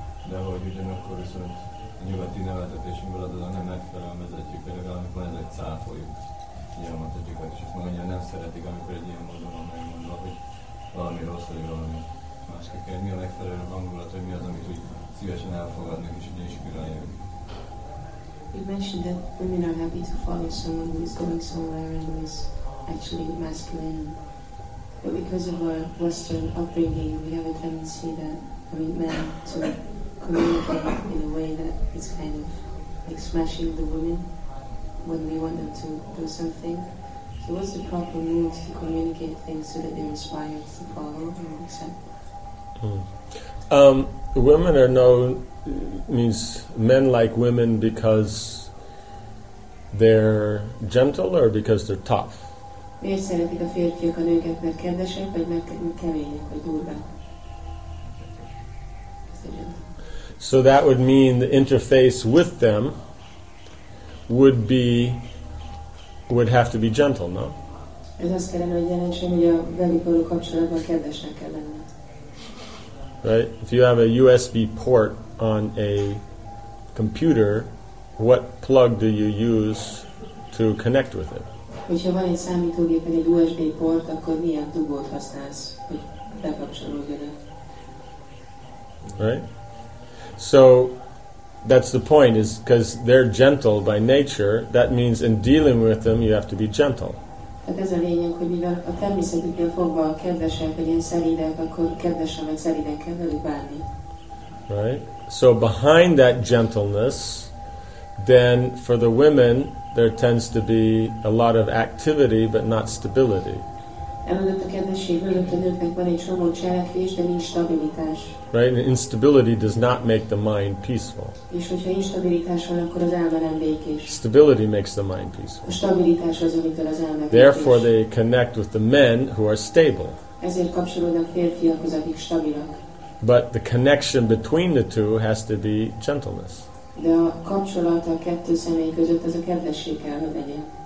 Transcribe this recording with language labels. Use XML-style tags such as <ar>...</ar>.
<hu>De hogy ugyanakkor viszont a nyugati neveltetésünkből adod a nemet felelmezetjük, de legalább van ez egy cáfoljuk nyilvánat egyiket, és azt mondja, nem szeretik, amikor egy ilyen módon van megmondva, hogy valami rossz, vagy valami más kell. Mi a megfelelő hangulat, hogy mi az, amit úgy szívesen elfogadnak, és ugye is kirányoljuk.</hu> <en>You mentioned that women are happy to follow someone who is going somewhere and who is actually masculine. But because of our Western upbringing, we have a tendency that, men to communicate in a way that is kind of like smashing the women when we want them to do something. So what's the proper mood to communicate things so that they're inspired to follow or accept? Women are known... means men like women because they're gentle or because they're tough?</en> <hu>Miért szeretik a férfiak a nőket, mert kedvesek, vagy mert kemények, vagy durvák?</hu> <en>So that would mean the interface with them would have to be gentle, no?</en> <hu>Ez azt kellene, hogy jelentsen, hogy a velük való kapcsolatban kedvesnek kell lenni.</hu> <en>Right? If you have a USB port on a computer, what plug do you use to connect with it?</en> <hu>Hogyha van egy számítógépen egy USB port, akkor milyen dugót használsz, hogy bekapcsolódjon?</hu> <en>Right? So that's the point, is because they're gentle by nature, that means in dealing with them you have to be gentle.</en> <hu>Tehát ez a lényeg, hogy mivel a természetükkel fogva kedvesek, vagy ilyen szelidek, akkor kedvesen vagy szeliden kell velük bánni.</hu> <en>Right? So behind that gentleness, then for the women, there tends to be a lot of activity, but not stability.</en> <hu>Emellett a kedvesség mögött a nőknek van egy csomó cselekvés, de nincs stabilitás.</hu> <en>Right? And instability does not make the mind peaceful.</en> <hu>És hogyha instabilitás van, akkor az elme nem békés.</hu> <en>Stability makes the mind peaceful.</en> <hu>A stabilitás az, amitől az elme békés.</hu> <en>Therefore they connect with the men who are stable.</en> <hu>Ezért kapcsolódnak férfiakhoz, akik stabilak.</hu> <en>But the connection between the two has to be gentleness.</en> <hu>De a kapcsolat a kettő személy között az a kedvesség kell, hogy legyen.</hu>